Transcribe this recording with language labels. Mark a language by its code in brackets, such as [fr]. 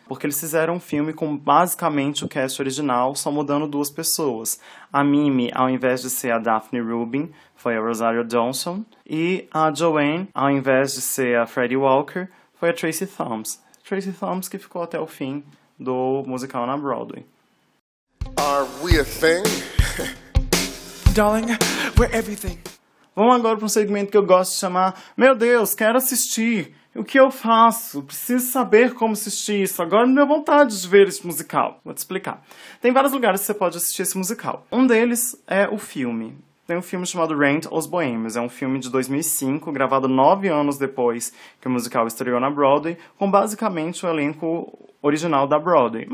[pt] Porque eles fizeram um filme com basicamente o cast original, só mudando duas pessoas. A Mimi, ao invés de ser a Daphne Rubin, foi a Rosario Dawson. E a Joanne, ao invés de ser a Freddie Walker, foi a Tracy Thoms. Tracy Thoms que ficou até o fim do musical na Broadway. [en] Are we a thing? Darling, we're everything. [pt] Vamos agora para um segmento que eu gosto de chamar Meu Deus, quero assistir! O que eu faço? Preciso saber como assistir isso. Agora me deu vontade de ver esse musical. Vou te explicar. Tem vários lugares que você pode assistir esse musical. Um deles é o filme. Tem um filme chamado Rent, Os Boêmios. É um filme de 2005, gravado 9 anos depois que o musical estreou na Broadway, com basicamente o elenco original da Broadway.